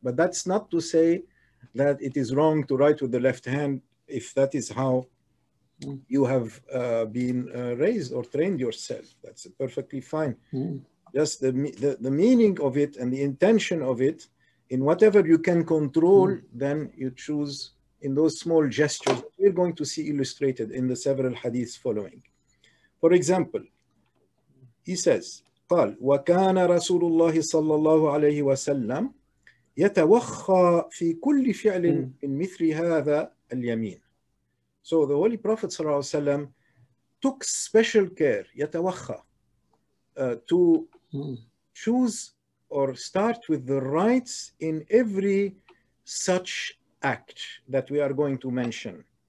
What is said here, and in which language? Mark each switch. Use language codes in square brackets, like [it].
[en] But that's not to say that it is wrong to write with the left hand if that is how you have been raised or trained yourself. That's perfectly fine. Just the meaning of it and the intention of it, in whatever you can control, then you choose in those small gestures that we're going to see illustrated in the several hadiths following. For example, he says, [ar] قال وكان رسول الله صلى الله عليه وسلم يتوخى في كل فعل من مثل هذا اليمين. [en] So the Holy Prophet [ar] صلى الله عليه وسلم [en] took special care, يتوخى, to choose or start with the rights in every such act that we are going to mention.